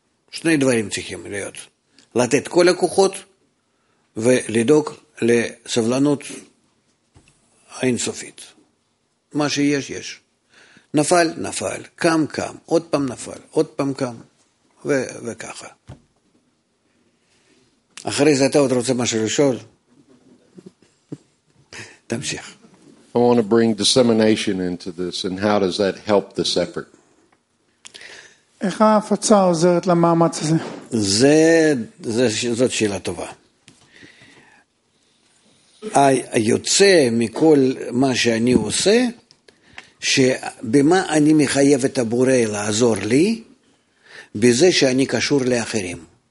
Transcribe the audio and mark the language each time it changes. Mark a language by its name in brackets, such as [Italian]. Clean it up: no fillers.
[Hebrew] שני דברים צריכים להיות. לתת כל הכוחות ולדאוג לסבלנות האינסופית. מה שיש, יש. נפל, נפל, קם, קם, עוד פעם נפל, עוד פעם קם, וככה. אחרי זה אתה עוד רוצה משהו לשאול? תמשיך. [English] I want to bring dissemination into this, and how does that help this effort? [Hebrew] איך ההפצה עוזרת למאמץ הזה? זאת שאלה טובה. היוצא מכל מה שאני עושה, שבמה אני מחייב את הבורא לעזור לי, בזה שאני קשור לאחרים.